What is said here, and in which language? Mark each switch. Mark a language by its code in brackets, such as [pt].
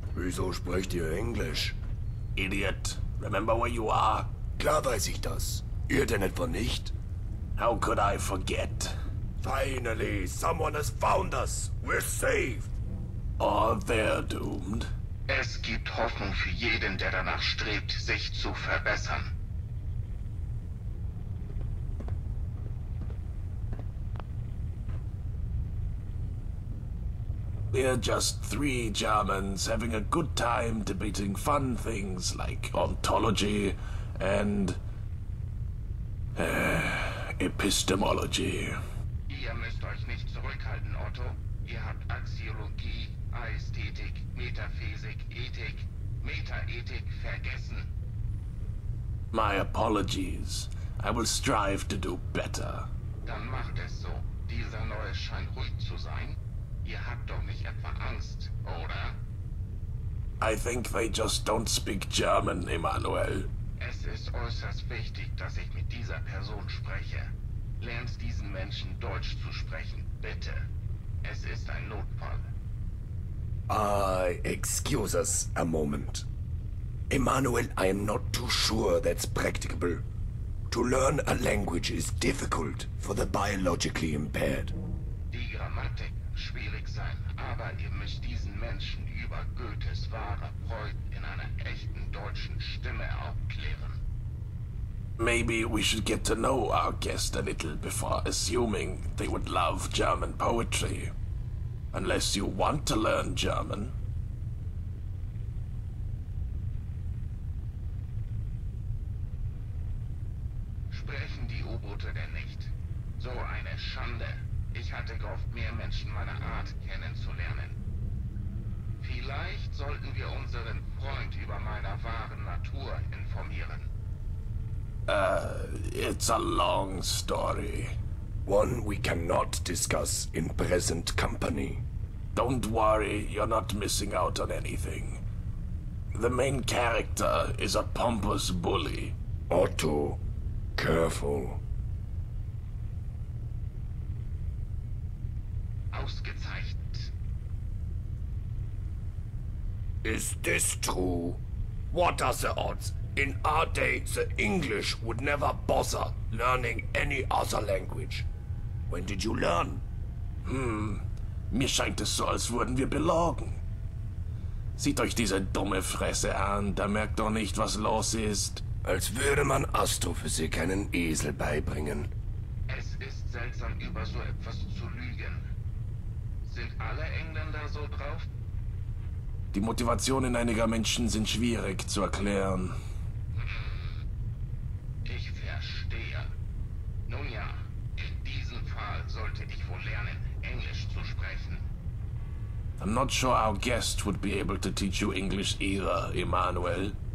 [de] Wieso sprecht ihr Englisch? [en] Idiot, remember where you are. [de] Klar weiß ich das. Ihr denn etwa nicht? [en] How could I forget? Finally, someone has found us. We're safe. Are they doomed? [de] Es gibt Hoffnung für jeden, der danach strebt, sich zu verbessern. [en] We're just three Germans having a good time debating fun things like ontology and epistemology. [de] Ihr müsst euch nicht zurückhalten, Otto. Ihr habt Axiologie, Ästhetik, Metaphysik, Ethik, Metaethik vergessen. [en] My apologies. I will strive to do better. [de] Dann macht es so. Dieser Neue scheint ruhig zu sein. Ihr habt doch nicht etwa Angst, oder? [en] I think they just don't speak German, Emanuel. [de] Es ist äußerst wichtig, dass ich mit dieser Person spreche. Lernt diesen Menschen Deutsch zu sprechen, bitte. Es ist ein Notfall. [en] Excuse us a moment. Emanuel, I am not too sure that's practicable. To learn a language is difficult for the biologically impaired. [de] Die Grammatik schwierig sein, aber ihr müsst diesen Menschen über Goethes wahre Freude in einer echten deutschen Stimme aufklären. [en] Maybe we should get to know our guest a little before assuming they would love German poetry. Unless you want to learn German. [de] Sprechen die U-Boote denn nicht? So eine Schande. Ich hatte gehofft, mehr Menschen meiner Art kennenzulernen. Vielleicht sollten wir unseren Freund über meiner wahren Natur informieren. [en] It's a long story. One we cannot discuss in present company. Don't worry, you're not missing out on anything. The main character is a pompous bully. Otto, careful. [de] Ausgezeichnet. [en] Is this true? What are the odds? In our day, the English would never bother learning any other language. When did you learn? [de] Mir scheint es so, als würden wir belogen. Sieht euch diese dumme Fresse an, da merkt doch nicht, was los ist. Als würde man Astrophysik einen Esel beibringen. Es ist seltsam, über so etwas zu lügen. Sind alle Engländer so drauf? Die Motivationen einiger Menschen sind schwierig zu erklären. Ich verstehe. Nun ja, in diesem Fall sollte ich wohl lernen, Englisch zu sprechen. [en] I'm not sure our guest would be able to teach you English either, Emanuel.